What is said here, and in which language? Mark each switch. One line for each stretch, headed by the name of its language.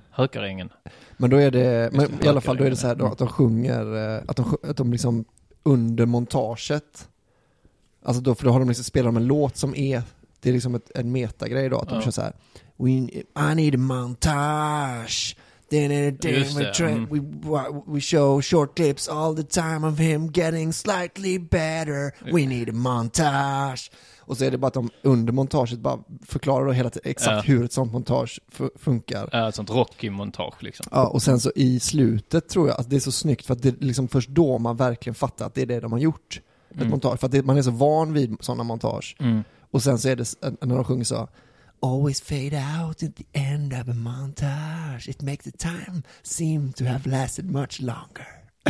Swedish: Hökarängen. Men då är det, men i alla fall då är det så här då, att de sjunger, att de liksom under montaget, alltså då, för då har de liksom spelat med en låt som är, det är liksom en metagrej då, att de, ja, kör så här,
English: I need a montage. Then in a day we show short clips all the time of him getting slightly better. We need a montage.
Swedish: Och så är det bara att de under montaget bara förklarar hela tiden exakt, ja, hur ett sånt montage funkar. Ja, ett sånt Rocky-montage liksom. Ja, och sen så i slutet tror jag att det är så snyggt, för att det är liksom först då man verkligen fattar att det är det de har gjort. Mm. Ett montage, för att man är så van vid sådana montage. Mm. Och sen så är det när de sjunger så,
English: always fade out at the end of a montage. It makes the time seem to have lasted much longer.